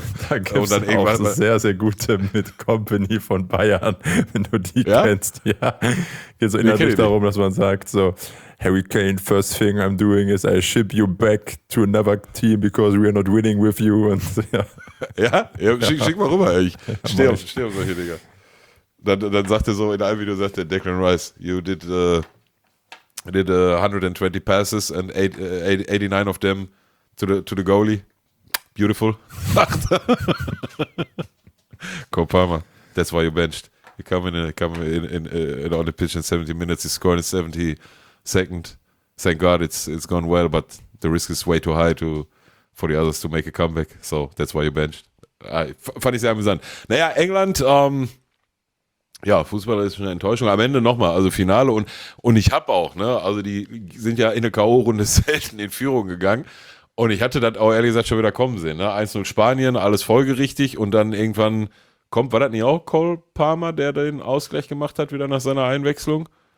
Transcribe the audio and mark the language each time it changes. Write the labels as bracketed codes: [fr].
[de] Da gibt es auch so sehr, sehr gute mit Company von Bayern, wenn du die kennst. Ja. Geht so innerlich darum, dass man sagt, so [en] Harry Kane, first thing I'm doing is I ship you back to another team because we are not winning with you. [de] Und, ja. Schick mal rüber. Ich stehe auf solche Dinger. Dann sagt er so, in einem Video sagt er, [en] Declan Rice, you did 120 passes and 89 of them to the goalie. Beautiful. Cole Palmer, that's why you benched. You come in on the pitch in 70 minutes, you score in 72nd. Thank God it's gone well, but the risk is way too high for the others to make a comeback. So that's why you benched. [de] Fand ich sehr amüsant. Naja, England, ja, Fußball ist eine Enttäuschung. Am Ende nochmal, also Finale und ich habe auch, ne, also die sind ja in der K.O.-Runde selten in Führung gegangen und ich hatte das auch ehrlich gesagt schon wieder kommen sehen, ne, 1-0 Spanien, alles folgerichtig und dann irgendwann kommt, war das nicht auch Cole Palmer, der den Ausgleich gemacht hat, wieder nach seiner Einwechslung?